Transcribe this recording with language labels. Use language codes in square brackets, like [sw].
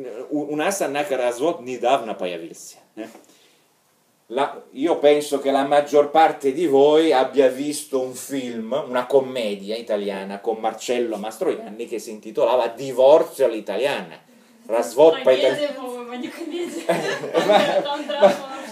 [ru] У нас, однако, развод недавно появился. [it] Io penso che la maggior parte di voi abbia visto un film, una commedia italiana con Marcello Mastroianni che si intitolava Divorzio all'italiana. Развод [ru] по-итальянски. Комедия, по-моему, не комедия.